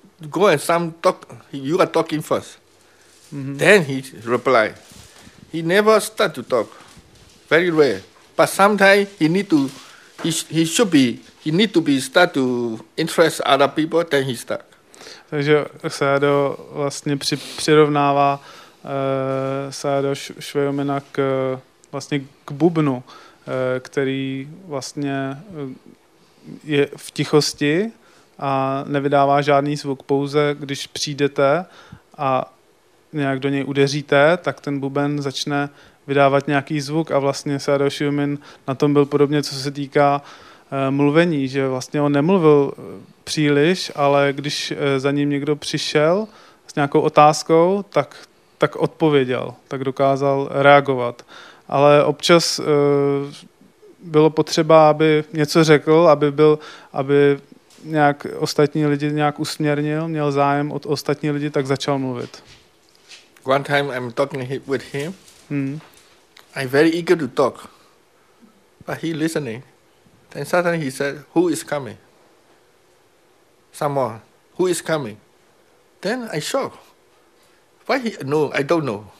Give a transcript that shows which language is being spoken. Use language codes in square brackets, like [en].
[en] Go and some talk, you are talking first. Then he reply. He never start to talk. Very rare. But sometimes he need to, he should be, he need to be start to interest other people, then he start. [cs] Takže Sayadaw vlastně přirovnává Sayadaw Shweyomena k vlastně k bubnu, který vlastně je v tichosti a nevydává žádný zvuk, pouze když přijdete a nějak do něj udeříte, tak ten buben začne vydávat nějaký zvuk a vlastně Sayadaw Shweyomen na tom byl podobně, co se týká mluvení, že vlastně on nemluvil příliš, ale když za ním někdo přišel s nějakou otázkou, tak odpověděl, tak dokázal reagovat. Ale občas bylo potřeba, aby něco řekl, aby nějak ostatní lidi nějak usměrnil, měl zájem od ostatní lidi, tak začal mluvit. [en] One time I'm talking with him. I'm very eager to talk, but he listening. Then suddenly he said, who is coming? Someone. Who is coming? Then I shocked. Why he? No, I don't know.